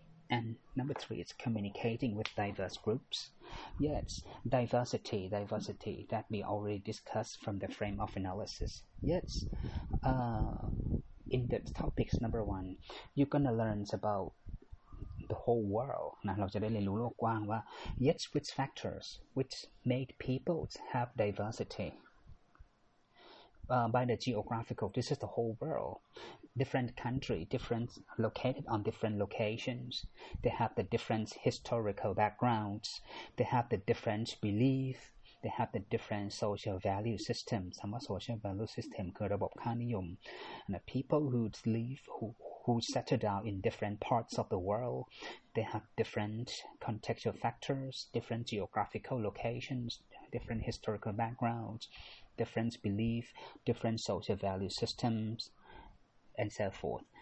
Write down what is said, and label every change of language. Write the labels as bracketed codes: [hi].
[en] And number three, it's communicating with diverse groups. Yes, diversity that we already discussed from the frame of analysis. Yes, in the topics number one, you're going to learn about the whole world. [th] นะ เราจะได้เรียนรู้โลกกว้างว่า [en] Yes, which factors which make people have diversity? By the geographical, this is the whole world. Different country, different located on different locations. They have the different historical backgrounds. They have the different belief. They have the different social value system. สมมติ social value system [th] คือระบบค่านิยม [en] And the people who live, who settle down in different parts of the world, they have different contextual factors, different geographical locations, different historical backgrounds, different belief, different social value systems. And so forth.